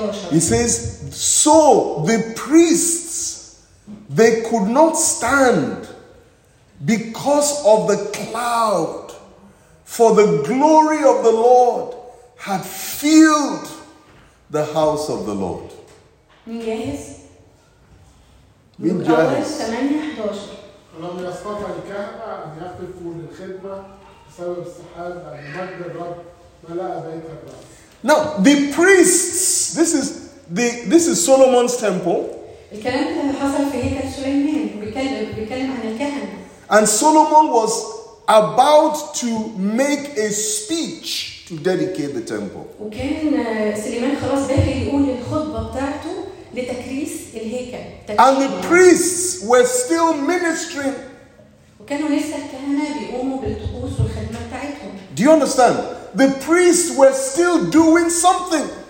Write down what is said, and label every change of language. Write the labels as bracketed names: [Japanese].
[English] He says, so the priests, they could not stand because of the cloud, for the glory of the Lord had filled the house of the Lord. [Arabic] من جاهز؟ من جاهز؟ 8-11 لما يصطفى الكعبة أن يقفوا للخدمة بسبب السحاب بمجد الرب ملأ بيت الرب. [English] Now the priests, this is Solomon's temple. [Arabic] الكلام ده حصل في هيكل سليمان بيتكلم عن الكهنة. [English] And Solomon was about to make a speech to dedicate the temple. [Arabic] وكان سليمان خلاص داخل يقول الخطبة بتاعته لتكريس الهيكل. [English] And the priests were still ministering. [Arabic] وكانوا لسه الكهنة بيقوموا بالطقوس والخدمة بتاعتهم. [English] Do you understand? The priests were still doing something.